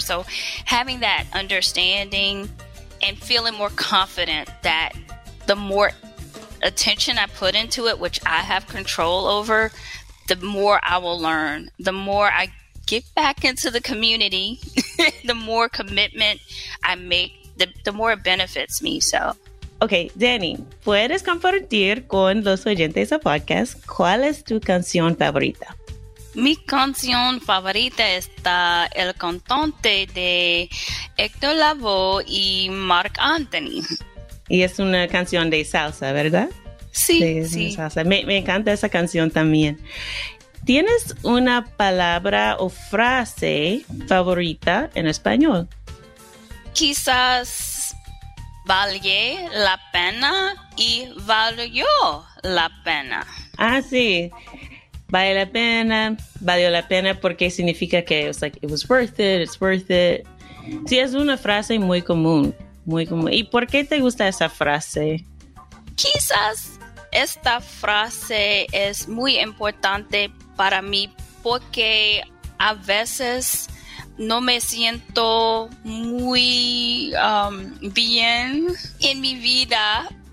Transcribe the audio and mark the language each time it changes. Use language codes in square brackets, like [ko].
[en] So having that understanding and feeling more confident that the more attention I put into it, which I have control over, the more I will learn, the more I get back into the community, the more commitment I make, the more it benefits me. So, [es] okay, Dani, ¿puedes compartir con los oyentes del podcast cuál es tu canción favorita? Mi canción favorita está el cantante de Héctor Lavoe y Marc Anthony. Y es una canción de salsa, ¿verdad? Sí. Salsa. Me encanta esa canción también. ¿Tienes una palabra o frase favorita en español? Quizás valió la pena y valió la pena. Ah, sí. Vale la pena, valió la pena, porque significa que [en] it was like, it was worth it, [es] it's worth it. Sí, es una frase muy común, muy común. ¿Y por qué te gusta esa frase? Quizás esta frase es muy importante para mí porque a veces no me siento muy bien en mi vida.